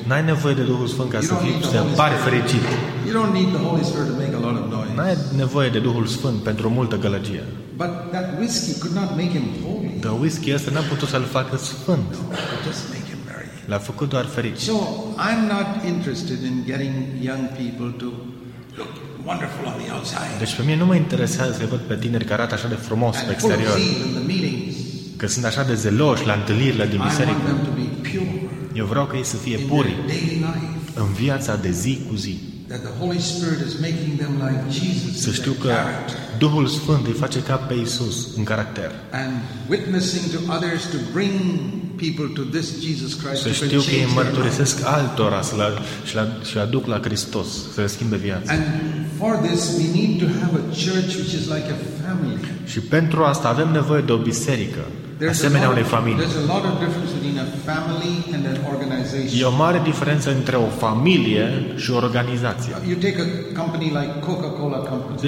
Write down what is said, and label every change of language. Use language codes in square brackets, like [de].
[ro] N-ai nevoie de Duhul Sfânt ca să fii, să pari fericit. [en] You don't need the Holy Spirit to make a lot of noise. [ro] N-ai nevoie de Duhul Sfânt pentru multă gălăgie. [en] But that whisky could not make him holy. [ro] The whisky ăsta n-a putut să-l facă sfânt. [en] No, just make him merry. [ro] L-a făcut doar fericit. [en] So, I'm not interested in getting young people to look wonderful on the outside. [ro] Deci pe mine nu mă interesează să văd pe tineri care arată așa de frumos pe exterior. Că sunt așa de zeloși la întâlnirile din biserică. [en] I want them to be pure. [ro] Eu vreau ca ei să fie puri [en] daily life. [ro] În viața de zi cu zi. [en] that the Holy Spirit is making them like Jesus. [ro] Să știu că Duhul Sfânt îi face ca pe Iisus în caracter. [en] And witnessing to others to bring people to this Jesus Christ. [ro] Să știu că îi mărturisesc altora și aduc la Hristos să le schimbe viața. [en] And for this we need to have a church which is like a family. [ro] Și pentru asta avem nevoie de o biserică asemenea unei familii. [en] There's a lot of difference between a family and an organization. [ro] E o mare diferență între o familie și o organizație. [en] You take a company like Coca-Cola company.